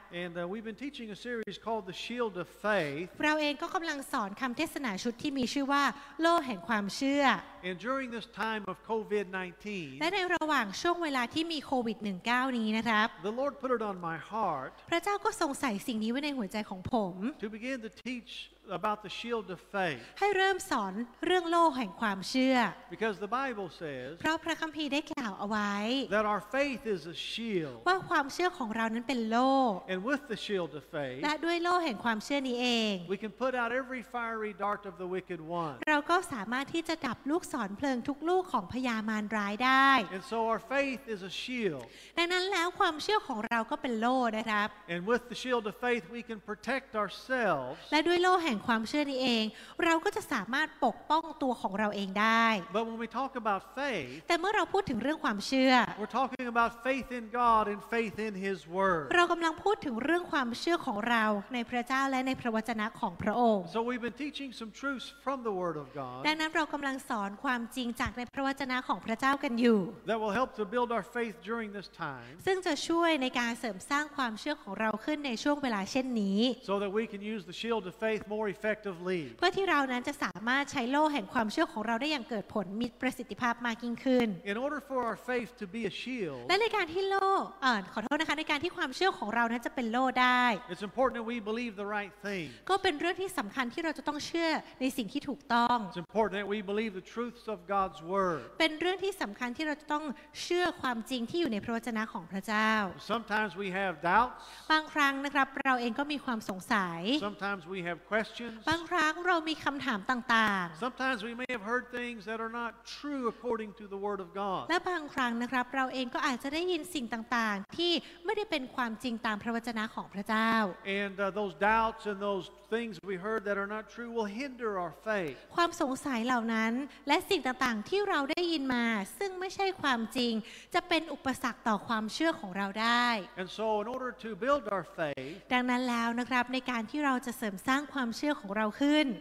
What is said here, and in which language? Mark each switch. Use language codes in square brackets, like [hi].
[en] And we've been teaching a series called The Shield of Faith. [th] เราเองก็กำลังสอนคำเทศนาชุดที่มีชื่อว่าโล่แห่งความเชื่อ [en] And during this time of COVID-19, [th] และในระหว่างช่วงเวลาที่มีโควิด-19 นี้นะครับ [en] The Lord put it on my heart. [th] พระเจ้าก็ทรงใส่สิ่งนี้ไว้ในหัวใจของผม [en] To begin to teach about the shield of faith. [th] ให้เริ่มสอนเรื่องโล่แห่งความเชื่อ [en] Because the Bible says. [th] เพราะพระคัมภีร์ได้กล่าวเอาไว้ [en] That our faith is a shield. [th] ว่าความเชื่อของเรานั้นเป็นโล่ [en] With the shield of faith, [th] และด้วยโล่แห่งความเชื่อนี้เอง [en] we can put out every fiery dart of the wicked one. [th] เราก็สามารถที่จะดับลูกศรเพลิงทุกลูกของพยามารร้ายได้ [en] and so our faith is a shield. [th] ดังนั้นแล้วความเชื่อของเราก็เป็นโล่นะครับ [en] and with the shield of faith, we can protect ourselves. [th] และด้วยโล่แห่งความเชื่อนี้เองเราก็จะสามารถปกป้องตัวของเราเองได้ [en] but when we talk about faith, [th] แต่เมื่อเราพูดถึงเรื่องความเชื่อ [en] we're talking about faith in God and faith in His Word. [th] เรากำลังพูดถึงเรื่องความเชื่อของเราในพระเจ้าและในพระวจนะของพระองค์ [en] So we've been teaching some truths from the word of God. [th] ดังนั้นเรากำลังสอนความจริงจากในพระวจนะของพระเจ้ากันอยู่ [en] That will help to build our faith during this time. [th] ซึ่งจะช่วยในการเสริมสร้างความเชื่อของเราขึ้นในช่วงเวลาเช่นนี้ [en] So that we can use the shield of faith more effectively. [th] เพื่อที่เรานั้นจะสามารถใช้โล่แห่งความเชื่อของเราได้อย่างเกิดผลมีประสิทธิภาพมากยิ่งขึ้น [en] In order for our faith to be a shield. [th] และในการที่โล่ขอโทษนะคะในการที่ความเชื่อของเรานั้นจะเป็นโล่ได้ [en] It's important that we believe the right thing. [th] ก็เป็นเรื่องที่สำคัญที่เราจะต้องเชื่อในสิ่งที่ถูกต้อง [en] It's important that we believe the truths of God's word. [th] เป็นเรื่องที่สำคัญที่เราจะต้องเชื่อความจริงที่อยู่ในพระวจนะของพระเจ้า [en] Sometimes we have doubts. [th] บางครั้งนะครับเราเองก็มีความสงสัย [en] Sometimes we have questions. [th] บางครั้งเรามีคำถามต่าง [en] ๆ Sometimes we may have heard things that are not true according to the word of God. [th] และบางครั้งนะครับเราเองก็อาจจะได้ยินสิ่งต่างๆที่ไม่ได้เป็นความจริงตามพระวจนะของพระเจ้า [en] And those doubts and those things we heard that are not true will hinder our faith. [th] ความสงสัยเหล่านั้นและสิ่งต่างๆที่เราได้ยินมาซึ่งไม่ใช่ความจริงจะเป็นอุปสรรคต่อความเชื่อของเราได้ [en] And so in order to build our faith. [th] ดังนั้นแล้วนะครับในการที่เราจะเสริมสร้างความเชื่อของเราขึ้น